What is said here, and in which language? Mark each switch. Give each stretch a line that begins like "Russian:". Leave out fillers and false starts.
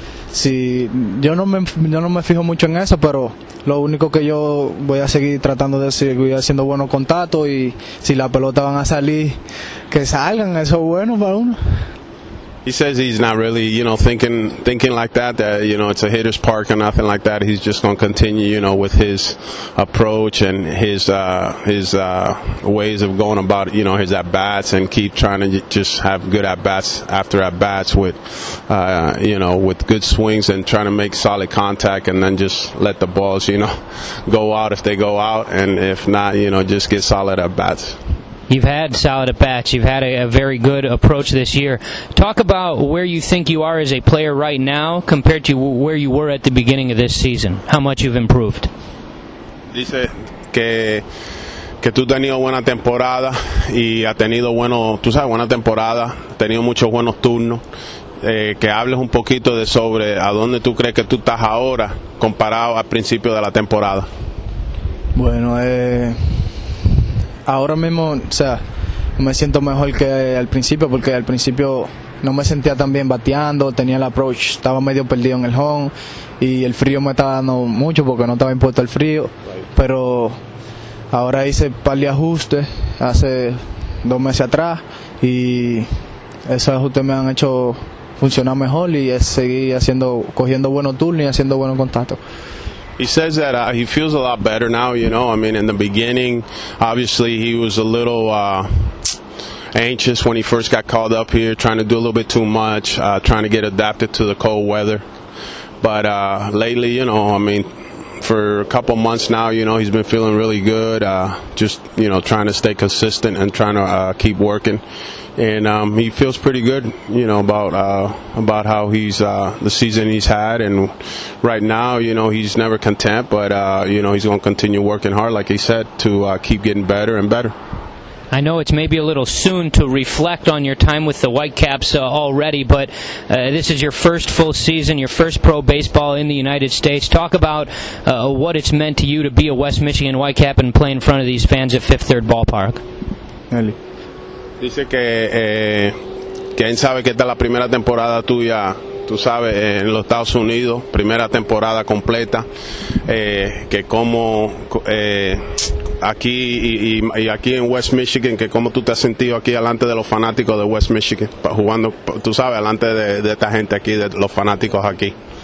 Spanish: Sí, yo no me fijo mucho en eso, pero lo único que yo voy a seguir tratando de seguir haciendo buenos contactos y si la pelota van a salir, que salgan, eso es bueno para uno.
English: He says he's not really, you know, thinking like that, that, you know, it's a hitter's park or nothing like that. He's just going to continue, you know, with his approach and his ways of going about, you know, his at-bats and keep trying to just have good at-bats after at-bats with, you know, with good swings and trying to make solid contact and then just let the balls, you know, go out if they go out and if not, you know, just get solid at-bats. You've had solid at-bats. You've had a very good approach this year. Talk about where you think you are as a player right now compared to where you were at the beginning of this season. How much you've improved.
Spanish: Dice que tú has tenido buena temporada y has tenido bueno, tú sabes, buena temporada, has tenido muchos buenos turnos. Que hables un poquito de sobre a dónde tú crees que tú estás ahora comparado al principio de la temporada. Bueno, ahora mismo, o sea, me siento mejor que al principio, porque al principio no me sentía tan bien bateando, tenía el approach, estaba medio perdido en el home, y el frío me estaba dando mucho porque no estaba impuesto el frío, pero ahora hice un par de ajustes hace 2 meses atrás, y esos ajustes me han hecho funcionar mejor, y seguí cogiendo buenos turnos y haciendo buenos contactos.
English: He says that he feels a lot better now, you know. I mean, in the beginning, obviously, he was a little anxious when he first got called up here, trying to do a little bit too much, trying to get adapted to the cold weather. But lately, you know, I mean, for a couple months now, you know, he's been feeling really good, just, you know, trying to stay consistent and trying to keep working. And he feels pretty good, you know, about how he's the season he's had. And right now, you know, he's never content, but, you know, he's going to continue working hard, like he said, to keep getting better and better. I know it's maybe a little soon to reflect on your time with the Whitecaps already, but this is your first full season, your first pro baseball in the United States. Talk about what it's meant to you to be a West Michigan Whitecap and play in front of these fans at Fifth Third Ballpark. Ellie.
Spanish: Dice que quién sabe que esta es la primera temporada tuya, tú sabes, en los Estados Unidos, primera temporada completa, que como aquí y aquí en West Michigan, que cómo tú te has sentido aquí delante de los fanáticos de West Michigan, jugando, tú sabes, delante de esta gente aquí, de los fanáticos aquí.